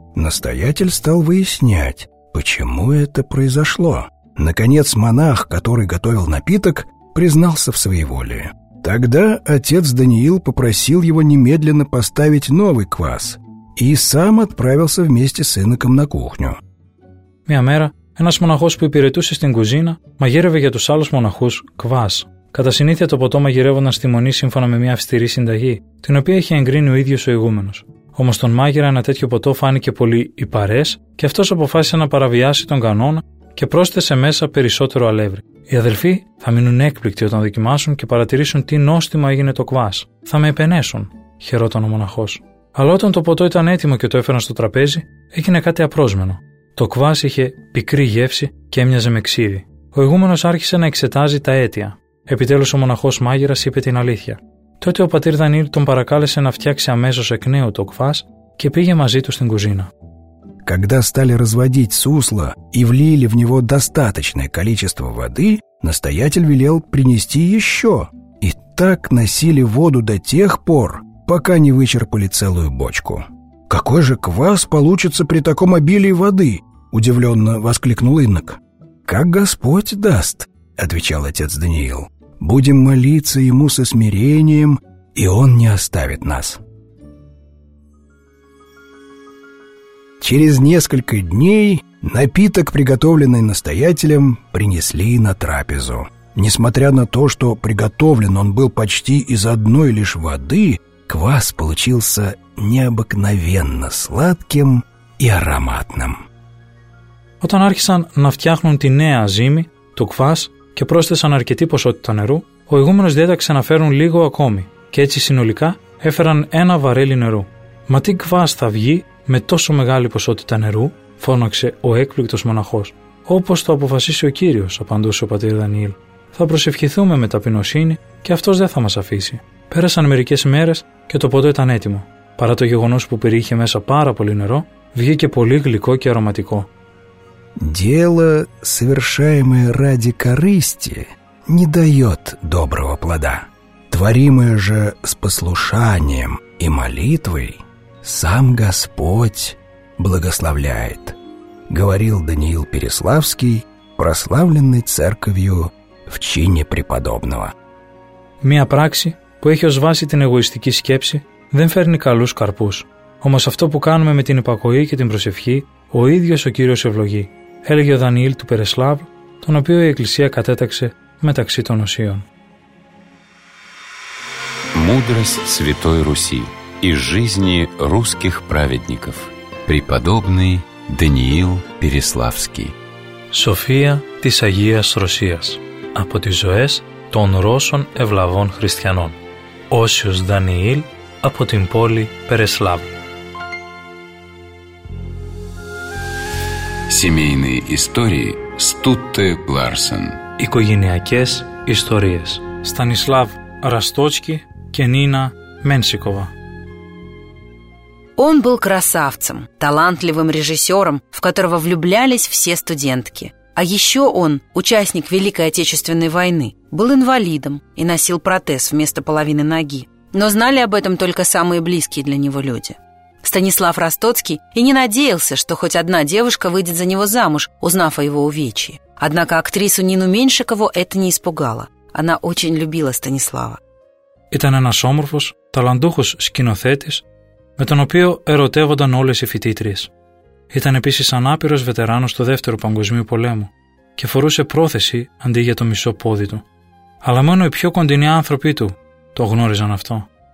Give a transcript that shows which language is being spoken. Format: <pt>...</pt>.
<ru>Настоятель стал выяснять, почему это произошло. Наконец монах, который готовил напиток, признался в своеволии. Тогда отец Даниил попросил его немедленно поставить новый квас и сам отправился вместе с иноком на кухню.</ru> <el>Μια μέρα, ένας μοναχός που υπηρετούσε στην κουζίνα μαγείρευε για τους άλλους μοναχούς κβάς. Κατά συνήθεια το ποτό μαγειρεύονταν στη μονή σύμφωνα με μια αυστηρή συνταγή, την οποία είχε εγκρίνει ο ίδιος ο ηγούμενος. Όμως τον μάγειρα ένα τέτοιο ποτό φάνηκε πολύ υπαρές και αυτός αποφάσισε να παραβιάσει τον κανόνα και πρόσθεσε μέσα περισσότερο αλεύρι. Οι αδελφοί θα μείνουν έκπληκτοι όταν δοκιμάσουν και παρατηρήσουν τι νόστιμο έγινε το κβάς. Θα με επενέσουν, χαιρόταν ο μοναχός. Αλλά όταν το ποτό ήταν έτοιμο και το έφεραν στο τραπέζι, έγινε κάτι απρόσμενο. Το κβάς είχε πικρή γεύση και έμοιαζε με ξύδι. Ο ηγούμενος άρχισε να εξετάζει τα αίτια. Επιτέλους ο μοναχός μάγειρας είπε την αλήθεια. Τότε ο πατήρ Δανιήλ τον παρακάλεσε να φτιάξει αμέσως εκ νέου το κβάς και πήγε μαζί του στην κουζίνα.</el> <ru>Когда стали разводить сусло и влили в него достаточное количество воды, настоятель велел принести еще. И так носили воду до тех пор, пока не вычерпали целую бочку. «Какой же квас получится при таком обилии воды?» – удивленно воскликнул инок. «Как Господь даст», – отвечал отец Даниил. «Будем молиться ему со смирением, и он не оставит нас». Через несколько дней напиток, приготовленный настоятелем, принесли на трапезу. Несмотря на то, что приготовлен он был почти из одной лишь воды, квас получился необыкновенно сладким и ароматным.</ru> <el>Όταν άρχισαν να φτιάχνουν τη νέα ζύμη, το κφάς και πρόσθεσαν αρκετή ποσότητα νερού, ο ηγούμενος διέταξε να φέρουν λίγο ακόμη και έτσι συνολικά έφεραν ένα βαρέλι νερού. «Μα τι κφάς θα βγει με τόσο μεγάλη ποσότητα νερού?» φώναξε ο έκπληκτος μοναχός. «Όπως το αποφασίσει ο Κύριος», απαντούσε ο πατήρ Δανιήλ. «Θα προσευχηθούμε με ταπεινοσύνη και αυτός δεν θα μας αφήσει». Πέρασαν μερικές μέρες και το ποτό ήταν έτοιμο. Παρά το γεγονός που περιείχε μέσα πάρα πολύ νερό, βγήκε πολύ γλυκό και αρωματικό.</el> <ru>«Дело, совершаемое ради корысти, не дает доброго плода. Творимое же с послушанием и молитвой сам Господь благословляет», говорил Даниил Переславский, прославленный церковью в чине преподобного.</ru> <el>Μια πράξη που έχει ως βάση την εγωιστική σκέψη δεν φέρνει καλούς καρπούς. Όμως αυτό που κάνουμε με την υπακοή και την προσευχή, ο ίδιος ο Κύριος ευλογεί, έλεγε ο Δανιήλ του Περεσλάβ, τον οποίο η Εκκλησία κατέταξε μεταξύ των οσίων.</el> <ru>Мудрость Святой Руси из жизни русских праведников. Преподобный Даниил Переславский.</ru> <el>Σοφία της Αγίας Ρωσίας. Από τις ζωές των Ρώσων ευλαβών χριστιανών. Όσιος Δανιήλ από την πόλη Περεσλάβ.</el> <ru>Семейные истории Стутте Ларсен.</ru> <el>Οικογενειακές ιστορίες. Στανισλάβ Ραστόцкий και Нина Менсикова.</el> <ru>Он был красавцем, талантливым режиссером, в которого влюблялись все студентки. А еще он, участник Великой Отечественной войны, был инвалидом и носил протез вместо половины ноги. Но знали об этом только самые близкие для него люди. Станислав Ростоцкий и не надеялся, что хоть одна девушка выйдет за него замуж, узнав о его увечье. Однако актрису Нину Меньшикову это не испугало. Она очень любила Станислава.</ru> <el>Ήταν ένας όμορφος, ταλαντούχος σκηνοθέτης, με τον οποίο ερωτεύονταν όλες οι φοιτήτριες. Ήταν επίσης ανάπηρος βετεράνος του Δεύτερου Παγκοσμίου Πολέμου και φορούσε πρόθεση αντί για το μισό πόδι του. Αλλά μόνο οι πιο κοντινοί άνθρωποι του το γνώριζαν αυτό.</el>